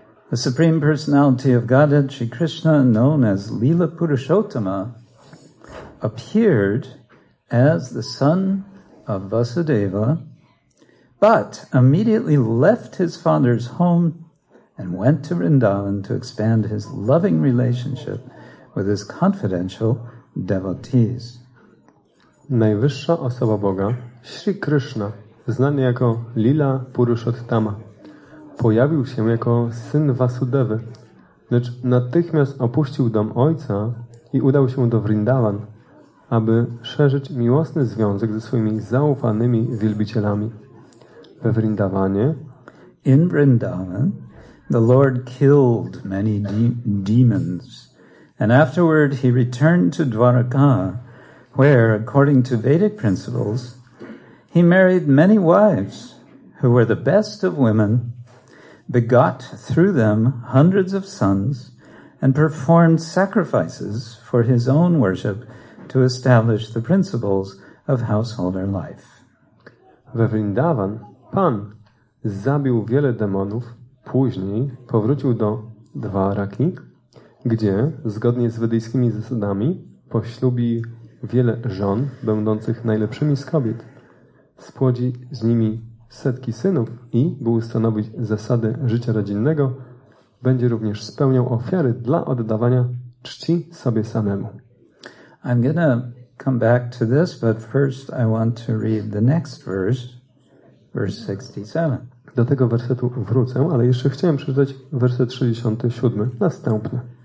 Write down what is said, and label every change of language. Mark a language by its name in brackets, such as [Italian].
[English] The Supreme Personality of Godhead, Sri Krishna, known as Lila Purushottama, appeared as the son of Vasudeva, but immediately left his father's home and went to Vrindavan to expand his loving relationship with his confidential devotees. [Polish] Najwyższa osoba Boga, Sri Krishna, znany jako Lila Purushottama, pojawił się jako syn Vasudevy, lecz natychmiast opuścił dom ojca i udał się do Vrindavan, aby szerzyć miłosny związek ze swoimi zaufanymi wielbicielami. We Vrindavanie, [English] in Vrindavan, the Lord killed many demons, and afterward he returned to Dwaraka, where, according to Vedic principles, he married many wives who were the best of women, begot through them hundreds of sons, and performed sacrifices for his own worship to establish the principles of householder life. [Polish] We Vrindavan, Pan zabił wiele demonów, później powrócił do Dwaraki, gdzie, zgodnie z wedyjskimi zasadami, poślubi wiele żon, będących najlepszymi z kobiet. Spłodzi z nimi setki synów i, by ustanowić zasady życia rodzinnego, będzie również spełniał ofiary dla oddawania czci sobie samemu. [English] I'm going to come back to this, but first I want to read the next verse, verse 67. [Polish] Do tego wersetu wrócę, ale jeszcze chciałem przeczytać werset 67, następny.